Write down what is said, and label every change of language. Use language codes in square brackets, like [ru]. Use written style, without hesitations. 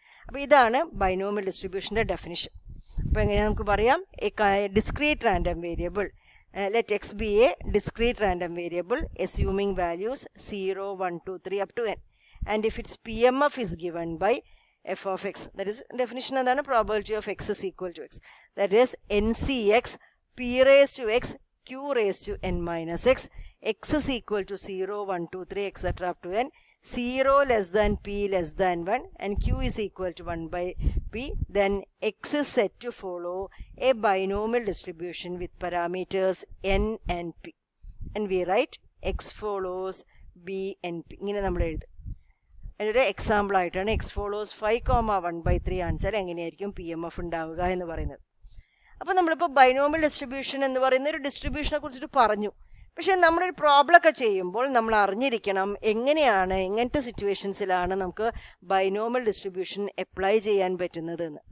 [ml] അപ്പോൾ ഇതാണ് binomial ഡിസ്ട്രിബ്യൂഷൻ്റെ definition. അപ്പോൾ എങ്ങനെയാണ് നമുക്ക് പറയാം, [en] A discrete random variable, let X be a discrete random variable assuming values 0, 1, 2, 3 up to n. And if its P M F is given by f of x. That is definition [ml] എന്താണ്? [en] Probability of X is equal to x. That is n C x p raise to x q raised to n minus x, x is equal to 0, 1, 2, 3, etc. up to n, 0 less than p less than 1, and q is equal to 1 by p, then x is set to follow a binomial distribution with parameters n and p. And we write x follows b and p. [ml] ഇങ്ങനെ നമ്മൾ എഴുതും. അതിൻ്റെ ഒരു example ആയിട്ടാണ് X follows 5, 1/3 ആണെന്നാൽ എങ്ങനെയായിരിക്കും P M F ഉണ്ടാവുക എന്ന് പറയുന്നത്. അപ്പോൾ നമ്മളിപ്പോൾ ബൈനോമിയൽ ഡിസ്ട്രിബ്യൂഷൻ എന്ന് പറയുന്ന ഒരു ഡിസ്ട്രിബ്യൂഷനെ കുറിച്ചിട്ട് പറഞ്ഞു. പക്ഷേ നമ്മളൊരു പ്രോബ്ലമൊക്കെ ചെയ്യുമ്പോൾ നമ്മൾ അറിഞ്ഞിരിക്കണം എങ്ങനെയാണ്, എങ്ങനത്തെ സിറ്റുവേഷൻസിലാണ് നമുക്ക് ബൈനോമിയൽ ഡിസ്ട്രിബ്യൂഷൻ അപ്ലൈ ചെയ്യാൻ പറ്റുന്നത് എന്ന്.